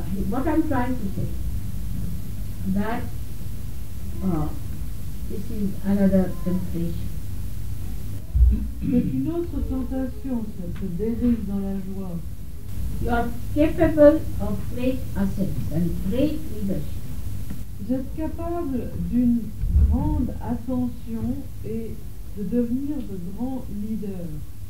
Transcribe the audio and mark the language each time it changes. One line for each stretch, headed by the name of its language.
English: What I'm trying to say, that this is another temptation.
French: C'est une autre tentation, ça se dérive dans la joie.
English: You are capable of great ascents and great leadership.
French: Vous êtes capable d'une grande ascension et de devenir de grands leaders.